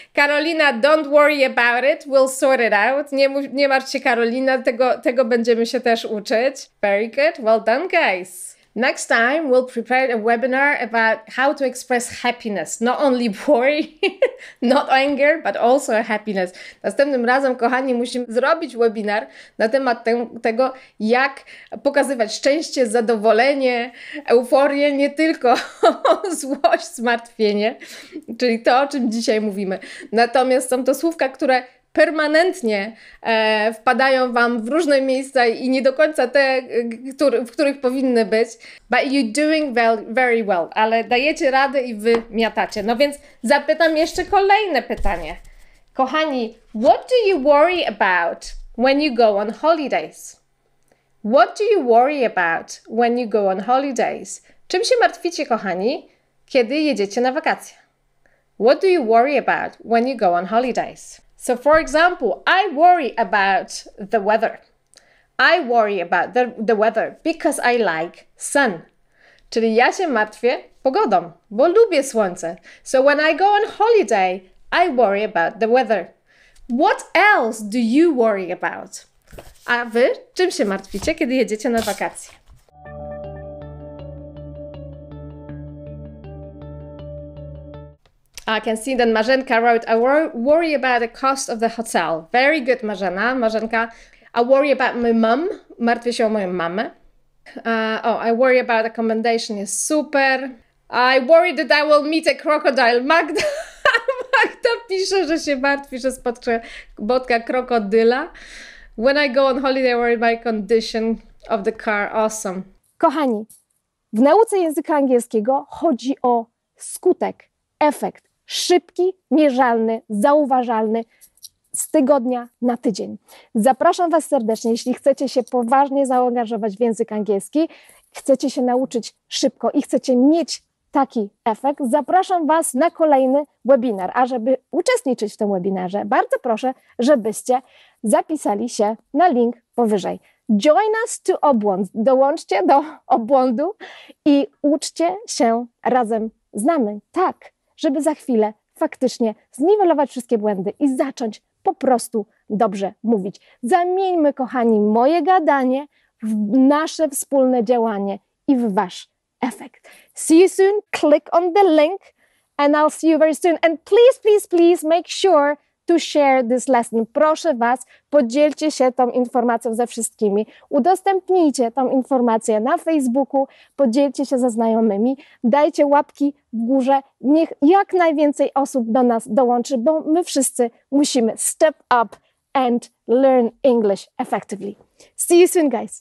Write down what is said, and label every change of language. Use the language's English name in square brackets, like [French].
[English] Karolina, don't worry about it, we'll sort it out. [Polish] Nie martw się, Karolina, tego będziemy się też uczyć. [English] Very good. Well done, guys. Next time we'll prepare a webinar about how to express happiness. Not only worry, not anger, but also happiness. [Polish] Następnym razem, kochani, musimy zrobić webinar na temat tego, jak pokazywać szczęście, zadowolenie, euforię, nie tylko złość, zmartwienie, czyli to, o czym dzisiaj mówimy. Natomiast są to słówka, które permanentnie wpadają wam w różne miejsca i nie do końca te, w których powinny być. [English] But you're doing very well. [Polish] Ale dajecie radę i wy miatacie. No więc zapytam jeszcze kolejne pytanie. [English] Kochani, what do you worry about when you go on holidays? What do you worry about when you go on holidays? [Polish] Czym się martwicie, kochani, kiedy jedziecie na wakacje? [English] What do you worry about when you go on holidays? So for example, I worry about the weather. I worry about the weather because I like sun. [Polish] Czyli ja się martwię pogodą, bo lubię słońce. [English] So when I go on holiday, I worry about the weather. What else do you worry about? [Polish] A wy czym się martwicie, kiedy jedziecie na wakacje? [English] I can see that Marzenka wrote, I worry about the cost of the hotel. Very good, Marzena. Marzenka, I worry about my mom. [Polish] Martwię się o moją mamę. [English] I worry about accommodation. [Polish] Jest super. [English] I worry that I will meet a crocodile. [Polish] Magda, Magda pisze, że się martwi, że spotkę botka krokodyla. [English] When I go on holiday, I worry my condition of the car. Awesome. [Polish] Kochani, w nauce języka angielskiego chodzi o skutek, efekt. Szybki, mierzalny, zauważalny z tygodnia na tydzień. Zapraszam Was serdecznie, jeśli chcecie się poważnie zaangażować w język angielski, chcecie się nauczyć szybko i chcecie mieć taki efekt, zapraszam Was na kolejny webinar. A żeby uczestniczyć w tym webinarze, bardzo proszę, żebyście zapisali się na link powyżej. [English] Join us to [Polish] obłąd. Dołączcie do obłądu i uczcie się razem z nami. Tak, żeby za chwilę faktycznie zniwelować wszystkie błędy i zacząć po prostu dobrze mówić. Zamieńmy, kochani, moje gadanie w nasze wspólne działanie i w Wasz efekt. [English] See you soon, click on the link and I'll see you very soon. And please, please, please make sure to share this lesson. [Polish] Proszę Was, podzielcie się tą informacją ze wszystkimi. Udostępnijcie tą informację na Facebooku, podzielcie się ze znajomymi, dajcie łapki w górze, niech jak najwięcej osób do nas dołączy, bo my wszyscy musimy [English] step up and learn English effectively. See you soon, guys!